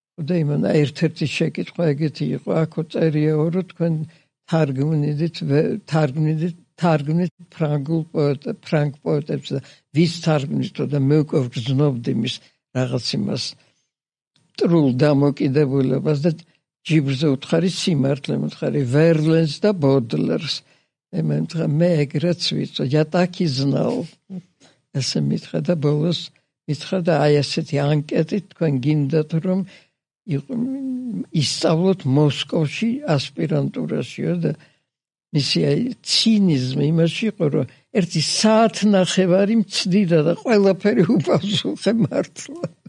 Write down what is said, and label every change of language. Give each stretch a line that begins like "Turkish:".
Georgian: და იმანა ერთ-ერთი შეკითხვა ეგეთი იყო, აქო წერიაო რომ თქვენ თარგმნით ფრანგულ პოეტებს, ფრანგ პოეტებს და ვის თარგმნით და მე უკვე გრძნობდი მის რაღაც იმას ტრულ დამოკიდებულებას და ჯიბრზე უთხარი სიმართლე, მითხარი ვერლენს და ბოდლერს. მე ეგრეც ვიცო,
Russian: я так и знал.
Georgian: ესე მითხრა და ბოლოს მითხრა და აი ასეთი ანკეტი თქვენ გინდათ რომ ისწავლოთ მოსკოვში ასპირანტურაშიო და მისი ცინიზმი იმაში იყო, რომ ერთი საათნახევარი მცდიდა და ყველაფერი უპასუხე მართლა.